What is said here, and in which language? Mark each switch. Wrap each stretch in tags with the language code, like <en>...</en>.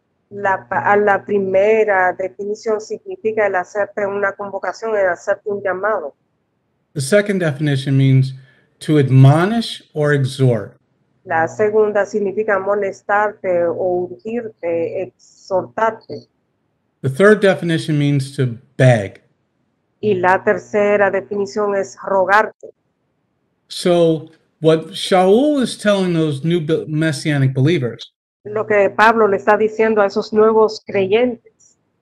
<es>La primera definición significa el hacerte una convocación, el hacerte un llamado.</es> <en>The second definition means to admonish or exhort.</en> <es>La segunda significa molestarte o urgirte, exhortarte.</es> <en>The third definition means to beg.</en> <es>Y la tercera definición es rogarte.</es> <en>So, what Shaul is telling those new messianic believers.</en> <es>Lo que Pablo le está diciendo a esos nuevos creyentes.</es>